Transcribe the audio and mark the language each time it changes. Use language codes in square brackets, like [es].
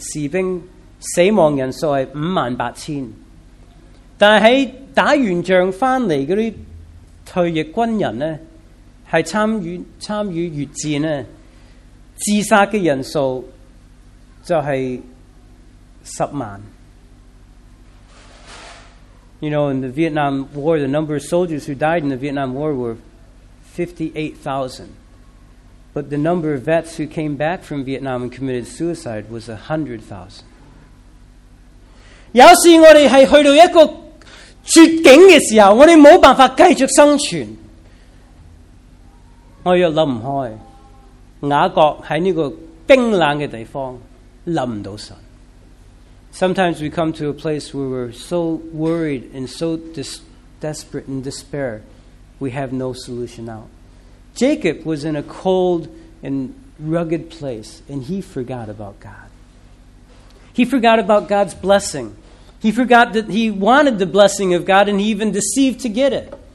[zh] 有個很有趣的數字,在美國的數字,幾十年前,我年輕的時候,他在美國打越南戰爭的士兵,死亡人數是58,000。但是打完仗回来的退役军人,是参与越战,自杀的人数就是10万。 [en] You know, in the Vietnam War, the number of soldiers who died in the Vietnam War were 58,000. But the number of vets who came back from Vietnam and committed suicide was 100,000. [zh] 有時我們去到一個絕境的時候，我們沒辦法繼續生存，我要想不開，雅各在這個冰冷的地方想不到神。 [en] Sometimes we come to a place where we're so worried and so desperate and despair, we have no solution out. Jacob was in a cold and rugged place, and he forgot about God. He forgot about God's blessing. He forgot that he wanted the blessing of God, and he even deceived to get it.